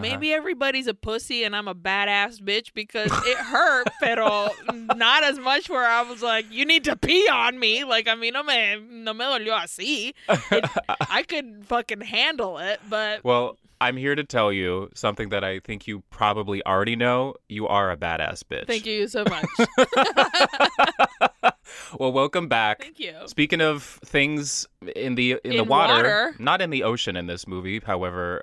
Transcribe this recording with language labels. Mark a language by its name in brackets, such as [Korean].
[English] Maybe everybody's a pussy and I'm a badass bitch because it hurt, pero not as much where I was like, you need to pee on me. Like, I mean, [Spanish] no me dolió así. [English] I could fucking handle it, but... Well, I'm here to tell you something that I think you probably already know. You are a badass bitch. Thank you so much. Well, welcome back. Thank you. Speaking of things in the water, not in the ocean in this movie, however,